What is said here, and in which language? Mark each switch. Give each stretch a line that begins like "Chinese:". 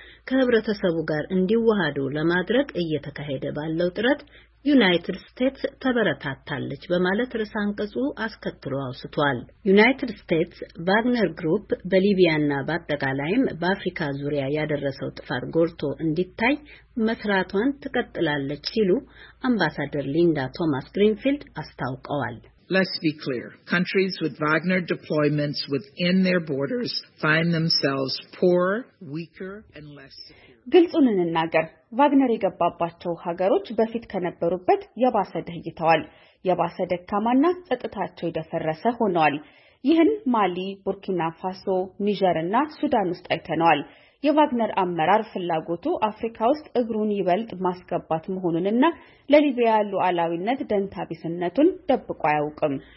Amharic: ከህብረተሰቡ ጋር እንዲዋሃዱ ለማድረግ እየተካሄደ ባለው ጥረት ዩናይትድ ስቴትስ ተበረታታለች በማለት ርዕሰ አንቀጹ አስከትሎ አውስቷል። ዩናይትድ ስቴትስ ቫግነር ግሩፕ በሊቢያና በአጠቃላይም በአፍሪካ ዙሪያ ያደረሰው ጥፋት ጎልቶ እንዲታይ መስራቷን ትቀጥላለች ሲሉ አምባሳደር ሊንዳ ቶማስ ግሪንፊልድ አስታውቀዋል።
English: Let's be clear. Countries with Wagner deployments within their borders find themselves poorer, weaker, and less secure.
Amharic: ግልጹን እንናገር። ቫግነር የገባባቸው ሀገሮች በፊት ከነበሩበት የባሰ ደህይተዋል። የባሰ ደካማና ጸጥታቸው የደፈረሰ ሆነዋል። ይህን ማሊ፣ ቡርኪና ፋሶ፣ ኒጀርና ሱዳን ውስጥ አይተነዋል። የቫግነር አመራር ፍላጎቱ አፍሪካ ውስጥ እግሩን ይበልጥ ማስገባት መሆኑንና ለሊቢያ ሉዓላዊነት ደንታቢስነቱን ደብቆ አያውቅም።